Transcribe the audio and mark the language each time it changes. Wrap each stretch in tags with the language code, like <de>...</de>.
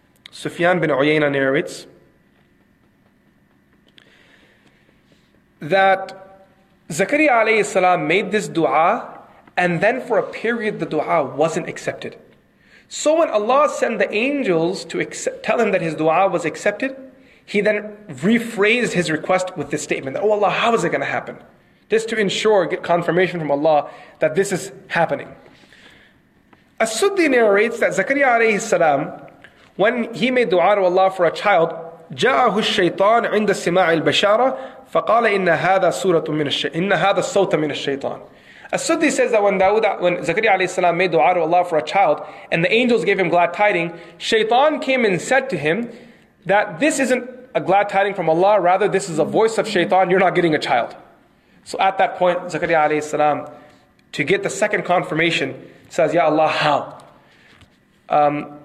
<en>Sufyan bin Uyayna narrates that Zakaria alayhi salam made this dua, and then for a period the dua wasn't accepted. So when Allah sent the angels to tell him that his dua was accepted, he then rephrased his request with this statement, that, oh Allah, how is it going to happen? Just to ensure, get confirmation from Allah that this is happening. As-Suddi narrates that Zakaria alayhi salam, when he made dua to Allah for a child,</en> <ar>جاءه الشيطان عند سماع البشارة فقال إن هذا سورة من الشيطان. إن هذا صوت من الشيطان.</ar> <en>As-Suddi says that when Zakaria alayhi salam made dua to Allah for a child and the angels gave him glad tidings, Shaitan came and said to him that this isn't a glad tidings from Allah, rather this is a voice of Shaitan, you're not getting a child. So at that point, Zakaria alayhi salam, to get the second confirmation, says, Ya Allah, how?</en>